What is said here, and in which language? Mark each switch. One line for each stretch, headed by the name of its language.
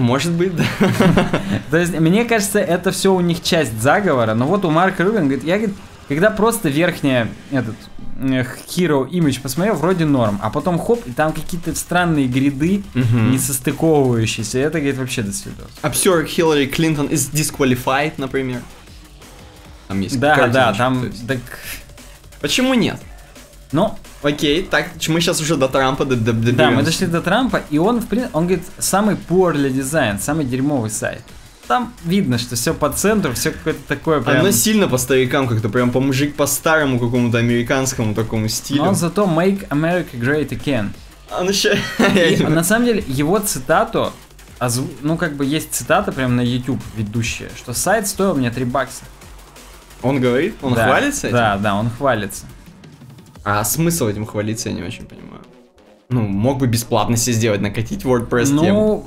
Russian: Может быть, да. То есть, мне кажется, это все у них часть заговора. Но вот у Марка Рубин говорит, я, когда просто верхняя, этот, Hero Image посмотрел, вроде норм. А потом хоп, и там какие-то странные гряды, несостыковывающиеся. Это, говорит, вообще до свидос.
English: Obscure Hillary Clinton is disqualified, например.
Russian: Там есть картинка. Да, да, там, так... Почему нет? Ну... Окей, так, мы сейчас уже до Трампа доберемся. Да, мы дошли до Трампа, и он, в принципе, он говорит, самый poorly designed, самый дерьмовый сайт. Там видно, что все по центру, все какое-то такое прям... Оно сильно по старикам как-то, прям по мужик, по старому какому-то американскому такому стилю. Но он зато make America great again. Он еще... На самом деле, его цитату, ну, как бы есть цитата прям на YouTube ведущая, что сайт стоил мне $3. Он говорит? Он хвалится этим? Да, да, он хвалится. А смысл этим хвалиться, я не очень понимаю. Ну, мог бы бесплатно себе сделать, накатить WordPress тему.